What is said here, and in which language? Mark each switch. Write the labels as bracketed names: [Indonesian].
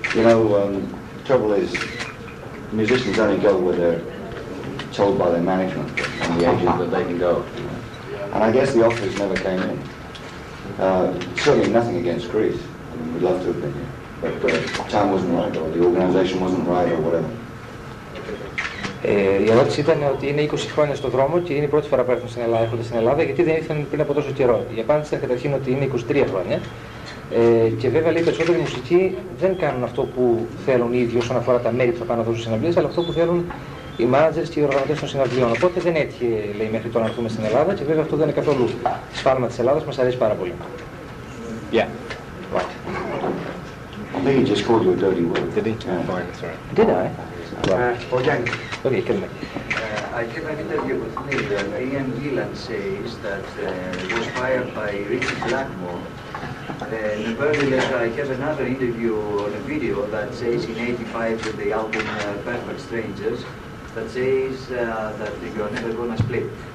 [English] You know, trouble is, musicians only go where they're told by their management and the agent that they can go. And I guess the offers never came in. Certainly nothing against Greece. I mean, we'd love to have been here. But the time wasn't right, or the organization wasn't right, or whatever. [Greek] Η ερώτηση ήταν ότι είναι 20 χρόνια στον δρόμο και είναι η πρώτη φορά που έρχονται στην Ελλάδα, γιατί δεν ήρθαν πριν από τόσο καιρό. Η απάντηση ήταν καταρχήν ότι είναι 23 χρόνια. Και βέβαια λέει περισσότεροι μουσικοί δεν κάνουν αυτό που θέλουν οι ίδιοι όσον αφορά τα μέρη που θα πάνε να δώσουν συναυλίες, αλλά αυτό που θέλουν οι μάνατζερς και οι οργανωτές των συναυλίων. Οπότε δεν έτυχε, λέει, μέχρι τώρα να έρθουμε στην Ελλάδα και βέβαια αυτό δεν είναι καθόλου σφάλμα της Ελλάδας, μας αρέσει πάρα πολύ. [English] Yeah. Right. I think he just called you a dirty word. Did he? Yeah. Fine, that's right. Did I? Well, Yang. Okay, kill me. I can have an interview with me that Ian Gillan says that he was fired by Richard Blackmore. And nevertheless, I have another interview on a video that says in 85 with the album Perfect Strangers that says that you're never going to split.